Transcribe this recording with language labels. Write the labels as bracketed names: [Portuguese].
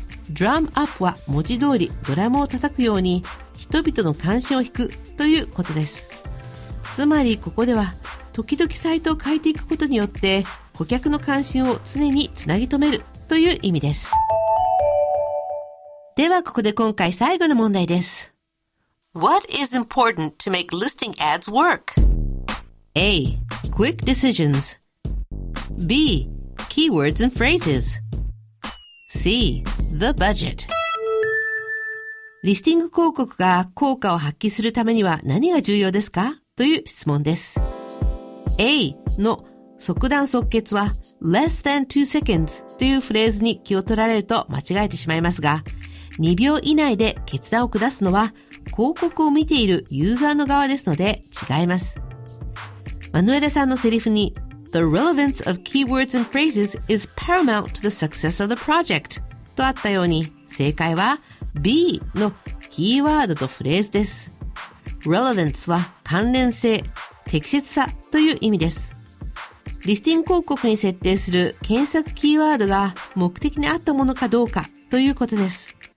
[Japanese] Drum up は文字通りドラムを叩くように人々の関心を引くということです。つまりここでは時々サイトを変えていくことによって顧客の関心を常につなぎ止めるという意味です。ではここで今回最後の問題です。 [English] What is important to make listing ads work? A. Quick decisions. B. Keywords and phrases. C. The budget. [Japanese] リスティング広告が効果を発揮するためには何が重要ですか? という質問です。A の即断即決は [English] less than 2 seconds [Japanese] というフレーズに気を取られると間違えてしまいますが、2秒以内で決断を下すのは広告を見ているユーザーの側ですので違います。マヌエラさんのセリフに [English] The relevance of keywords and phrases is paramount to the success of the project. [Japanese] とあったように、正解は B のキーワードとフレーズです。 Relevance は関連性、適切さという意味です。リスティング広告に設定する検索キーワードが目的に合ったものかどうかということです。